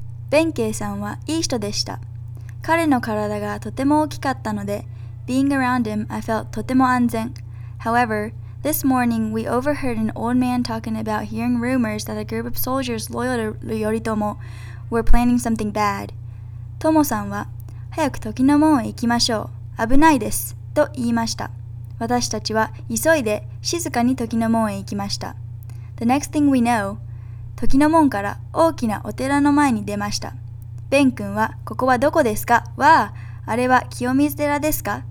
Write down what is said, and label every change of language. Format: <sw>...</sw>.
<ja>弁慶さんはいい人でした。彼の体がとても大きかったので、</ja> <en>being around him, I felt</en> <ja>とても安全。</ja> <en>However, this morning we overheard an old man talking about hearing rumors that a group of soldiers loyal to Yoritomo were planning something bad.</en> <ja>トモさんは、早く時の門へ行きましょう。危ないです。と言いました。私たちは急いで静かに時の門へ行きました。</ja> <en>The next thing we know,</en> <ja>時の門から大きなお寺の前に出ました。ベン君は、ここはどこですか?わあ、あれは清水寺ですか?</ja>